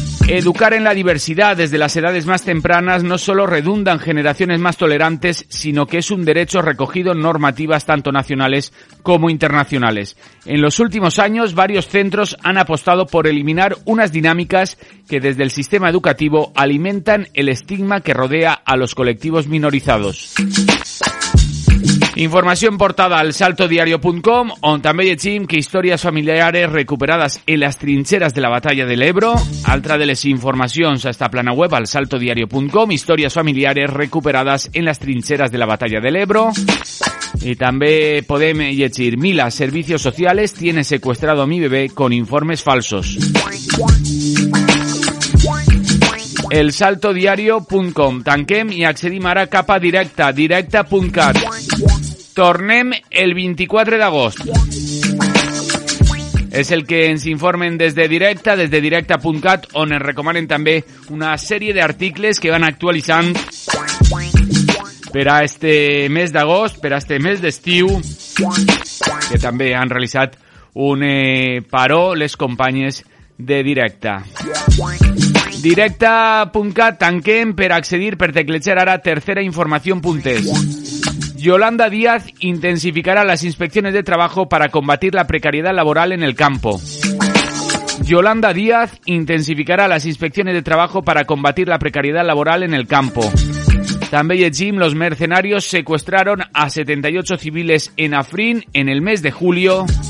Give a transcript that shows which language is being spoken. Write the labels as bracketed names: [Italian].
[Spanish] Educar en la diversidad desde las edades más tempranas no solo redunda en generaciones más tolerantes, sino que es un derecho recogido en normativas tanto nacionales como internacionales. En los últimos años, varios centros han apostado por eliminar unas dinámicas que desde el sistema educativo alimentan el estigma que rodea a los colectivos minorizados. [Catalan] Información portada al saltodiario.com, on també llegim que històries familiares recuperades en les trinxeres de la batalla de l'Ebro. Altra de les informacions a esta plana web, al saltodiario.com, històries familiares recuperades en les trinxeres de la batalla de l'Ebro. I també podem llegir [Spanish] "Mila, servicios sociales, tiene secuestrado a mi bebé con informes falsos". [Catalan] El saltodiario.com, tanquem i accedim ara cap a directa, directa.cat. Tornem el 24 d'agost. És el que ens informen des de directa.cat, on ens recomanen també una sèrie d'articles que van actualitzant per a este mes d'agost, per a este mes d'estiu, que també han realitzat un paró les companyes de directa. Directa.cat, tanquem per accedir, per tecletxar ara tercera informació punt es. [Spanish] Yolanda Díaz intensificará las inspecciones de trabajo para combatir la precariedad laboral en el campo. Yolanda Díaz intensificará las inspecciones de trabajo para combatir la precariedad laboral en el campo. [Catalan] També llegim, [Spanish] los mercenarios secuestraron a 78 civiles en Afrin en el mes de julio.